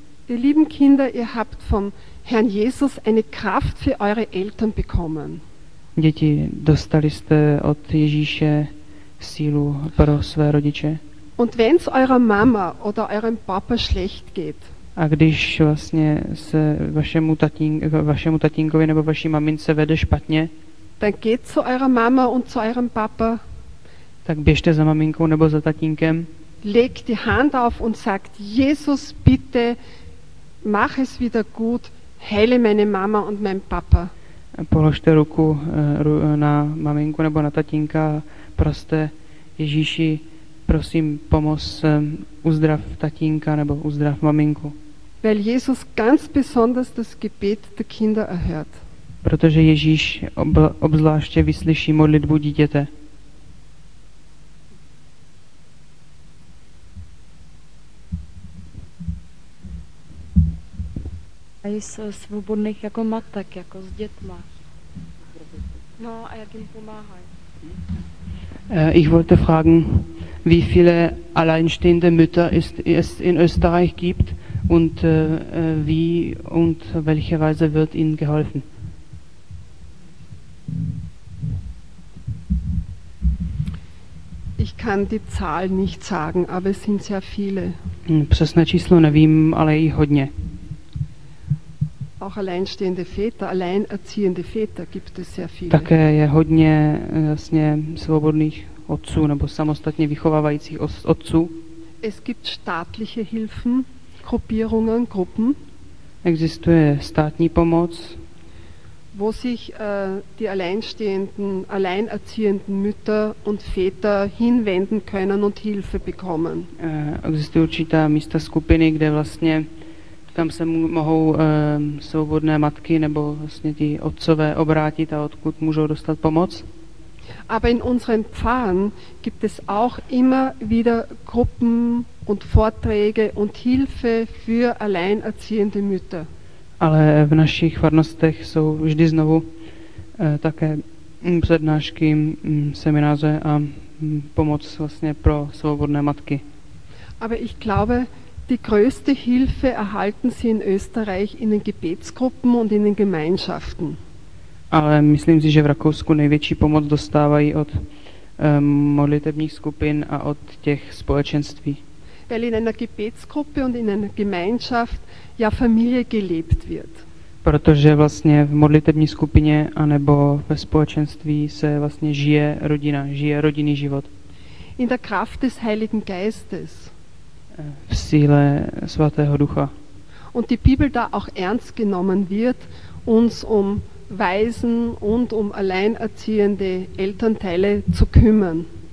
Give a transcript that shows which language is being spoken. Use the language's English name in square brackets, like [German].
[German] Ihr lieben Kinder, ihr habt vom Herrn Jesus eine Kraft für eure Eltern bekommen. [Czech] Děti, dostali jste od Ježíše sílu pro své rodiče. [German] Und wenn's eurer Mama oder eurem Papa schlecht geht. [Czech] A když vlastně se vašemu tatínkovi nebo vaší mamince vede špatně. [German] Dann geht zu eurer Mama und zu eurem Papa. [Czech] Tak běžte za maminkou nebo za tatínkem. [German] Legt die Hand auf und sagt: Jesus, bitte mach es wieder gut, heile meine Mama und mein Papa. [Czech] Položte ruku na maminku nebo na tatínka a proste: Ježíši, prosím, pomoz, uzdrav tatínka nebo uzdrav maminku. [German] Weil Jesus ganz besonders das Gebet der Kinder erhört. [Czech] Protože Ježíš obzvláště vyslyší modlitbu dítěte. A jsi svobodných jako matek, jako s dětma. No, a jak jim pomáhají? [German] Ich wollte fragen, wie viele alleinstehende Mütter es in Österreich gibt und wie und welche Weise wird ihnen geholfen? Ich kann die Zahl nicht sagen, aber es sind sehr viele. [Czech] Přesné číslo nevím, ale je hodně. [German] Auch alleinstehende Väter, alleinerziehende Väter gibt es sehr viele. [Czech] Také je hodně vlastně svobodných otců nebo samostatně vychovávajících otců. [German] Es gibt staatliche Hilfen, Gruppierungen, Gruppen. [Czech] Existuje státní pomoc. [German] wo sich die alleinstehenden, alleinerziehenden Mütter und Väter hinwenden können und Hilfe bekommen. [Czech] Existují určitá místa skupiny, kde vlastně tam se mohou svobodné matky nebo vlastně ti otcové obrátit a odkud můžou dostat pomoc. [German] Aber in unseren Pfarren gibt es auch immer wieder Gruppen und Vorträge und Hilfe für alleinerziehende Mütter. [Czech] Ale v našich farnostech jsou vždy znovu také přednášky, semináře a pomoc vlastně pro svobodné matky. [German] Aber ich glaube, die größte Hilfe erhalten sie in Österreich in den Gebetsgruppen und in den Gemeinschaften. [Czech] Ale myslím si, že v Rakousku největší pomoc dostávají od modlitebních skupin a od těch společenství. [German] Weil in einer Gebetsgruppe und in einer Gemeinschaft ja Familie gelebt wird. [Czech] Protože vlastně v modlitební skupině anebo ve společenství se vlastně žije rodina, žije rodinný život. [German] In der Kraft des Heiligen Geistes. [Czech] V síle svatého ducha. [German] Und die Bibel da auch ernst genommen wird, uns um Waisen und um alleinerziehende Elternteile zu kümmern.